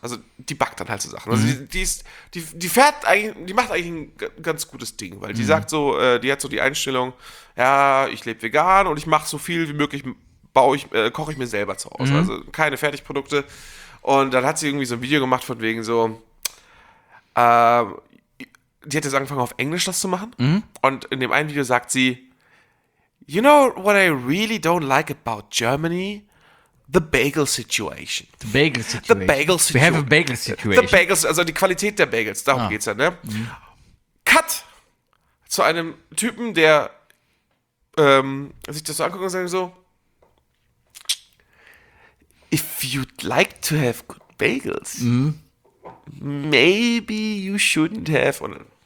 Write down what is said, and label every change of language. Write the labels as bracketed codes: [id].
[de] Also die backt dann halt so Sachen. Also die macht eigentlich ein ganz gutes Ding, weil die sagt so, die hat so die Einstellung, ja, ich lebe vegan und ich mache so viel wie möglich, koche ich mir selber zu Hause. Also keine Fertigprodukte. Und dann hat sie irgendwie so ein Video gemacht von wegen so, die hat jetzt angefangen auf Englisch das zu machen. Und in dem einen Video sagt sie, [en] You know what I really don't like about Germany? The bagel situation. The bagel situation. The bagel situation. We have a bagel situation. The bagels, [de] also die Qualität der Bagels, darum geht's ja, ne? Mhm. Cut zu einem Typen, der sich das so anguckt und sagt so, [en] if you'd like to have good bagels, maybe you shouldn't have. [de] Und,